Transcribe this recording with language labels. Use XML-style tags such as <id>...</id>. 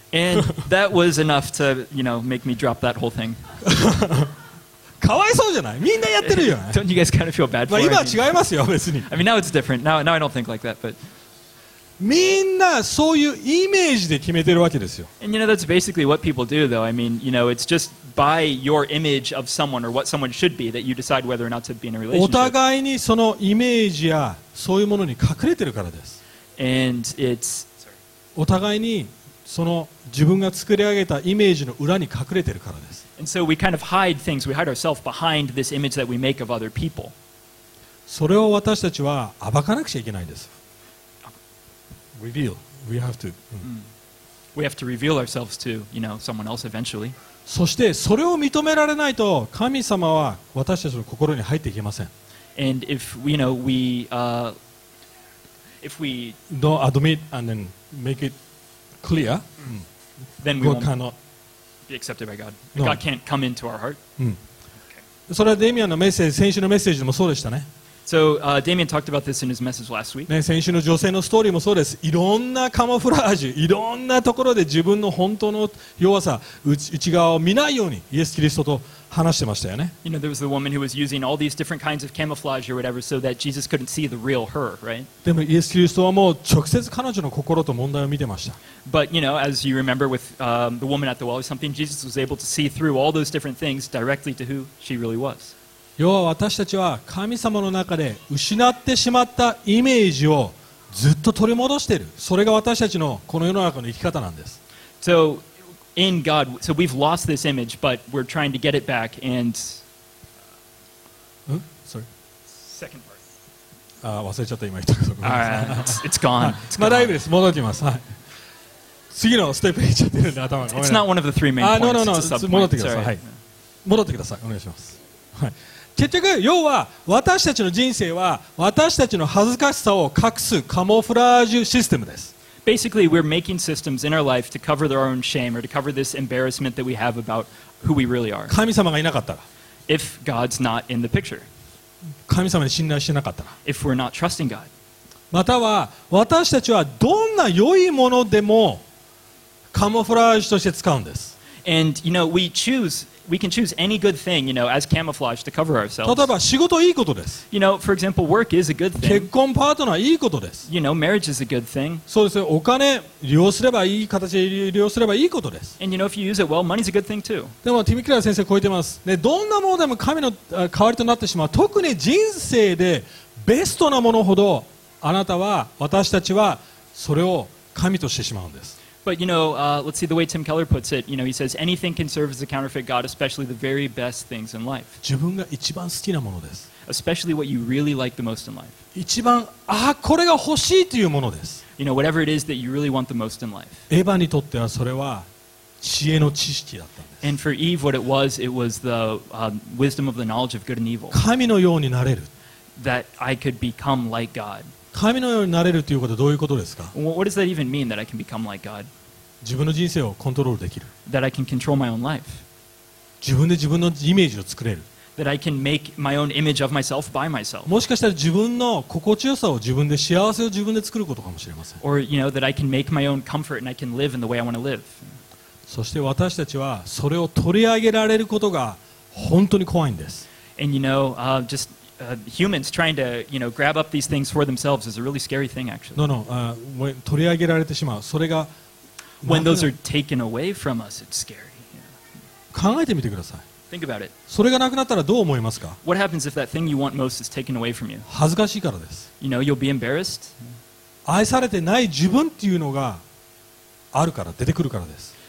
<en>And that was enough to, you know, make me drop that whole thing.</en> <ja>かわいそうじゃない？みんなやってるよね。</ja> <en>Don't you guys kind of feel bad for</en> <ja>it? まあ今は違いますよ、別に。</ja> <en>I mean, now it's different. Now I don't think like that, but...</en> <ja>みんなそういうイメージで決めてるわけですよ。</ja> <en>And you know, that's basically what people do, though. I mean, you know, it's just by your image of someone or what someone should be that you decide whether or not to be in a relationship.</en> <ja>お互いにそのイメージやそういうものに隠れてるからです。</ja> <en>And it's...</en> <ja>お互いにその自分が作り上げたイメージの裏に隠れてるからです。</ja> <en>And so we kind of hide things, we hide ourselves behind this image that we make of other people.</en> <ja>それを私たちは暴かなくちゃいけないです。</ja> <en>Reveal. We have to. We have to reveal ourselves to, you know, someone else eventually.</en> <ja>そしてそれを認められないと神様は私たちの心に入っていけません。</ja> <en>And if, you know, we, if we don't admit and then make it clear, then we cannot. Accepted by God. No. God can't come into our heart. Okay.</en> <ja>それはデミアンのメッセージ、先週のメッセージもそうでしたね。</ja> <en>So, Damian talked about this in his message last week.</en> <ja>ね、先週の女性のストーリーもそうです。いろんなカモフラージュ、いろんなところで自分の本当の弱さ、内側を見ないようにイエス・キリストと話してましたよね。</ja> <en>You know, there was the woman who was using all these different kinds of camouflage or whatever so that Jesus couldn't see the real her, right?</en> <ja>でもイエス・キリストはもう直接彼女の心と問題を見てました。</ja> <en>But, you know, as you remember with the woman at the well or something, Jesus was able to see through all those different things directly to who she really was.</en> <ja>要は私たちは神様の中で失ってしまったイメージをずっと取り戻している。それが私たちのこの世の中の生き方なんです。</ja> <en>So in God, so we've lost this image, but we're trying to get it back and Sorry. Second part.</en> <ja>忘れちゃった今言った</ja> <en>こと。Alright, it's gone. It's gone.</en> <ja>まあ大丈夫です。戻ってきます。はい、次のステップに行っちゃってるんで頭が。</ja> <en>It's not one of the three main points. No. It's a sub-point.</en> <ja>戻ってください。はい、戻ってください。お願いします。はい、結局要は私たちの人生は私たちの恥ずかしさを隠すカモフラージュシステムです。</ja> <en>Basically we're making systems in our life to cover their own shame or to cover this embarrassment that we have about who we really are.</en> <ja>神様がいなかったら、</ja> <en>If God's not in the picture,</en> <ja>神様に信頼してなかったら、</ja> <en>If we're not trusting God,</en> <ja>または私たちはどんな良いものでもカモフラージュとして使うんです。</ja> <en>And you know, we can choose any good thing, you know, as camouflage to cover ourselves.</en> <ja>例えば仕事いいことです。</ja> <en>You know, for example, work is a good thing.</en> <ja>結婚パートナーいいことです。</ja> <en>You know, marriage is a good thing.</en> <ja>そうですね。お金利用すればいい形で利用すればいいことです。</ja> <en>And you know, if you use it well, money's a good thing too.</en> <ja>でもティム・クレア先生超えてます。ね、どんなものでも神の代わりとなってしまう。特に人生でベストなものほど、あなたは、私たちはそれを神としてしまうんです。</ja> <en>But you know, let's see the way Tim Keller puts it. You know, he says anything can serve as a counterfeit God, especially the very best things in life.</en> <ja>自分が一番好きなものです。</ja> <en>Especially what you really like the most in life.</en> <ja>一番これが欲しいというものです。</ja> <en>You know, whatever it is that you really want the most in life.</en> <ja>エヴァにとってはそれは知恵の知識だったんです。</ja> <en>And for Eve, what it was the wisdom of the knowledge of good and evil.</en> <ja>神のようになれる。</ja> <en>That I could become like God.</en> <ja>神のようになれるということはどういうことですか?</ja> <en>What does that even mean, that I can become like God?</en> <ja>自分の人生をコントロールできる。</ja> <en>That I can control my own life.</en> <ja>自分で自分のイメージを作れる。</ja> <en>That I can make my own image of myself by myself.</en> <ja>もしかしたら自分の心地よさを自分で幸せを自分で作ることかもしれません。</ja> <en>Or, you know, that I can make my own comfort and I can live in the way I want to live.</en> <ja>そして私たちはそれを取り上げられることが本当に怖いんです。</ja> <en>And, you know, just humans trying to, you know, grab up these things for themselves is a really scary thing, actually. No, no,</en> <ja>取り上げられてしまう。それが。</ja> <en>When those are taken away from us, it's scary.</en> <ja>Yeah. 考えてみてください。</ja> <en>Think about it.</en> <ja>それがなくなったらどう思いますか?</ja> <en>What happens if that thing you want most is taken away from you?</en> <ja>恥ずかしいからです。</ja> <en>You know, you'll be embarrassed.</en> <ja>愛されてない自分っていうのがあるから、出てくるからです。</ja>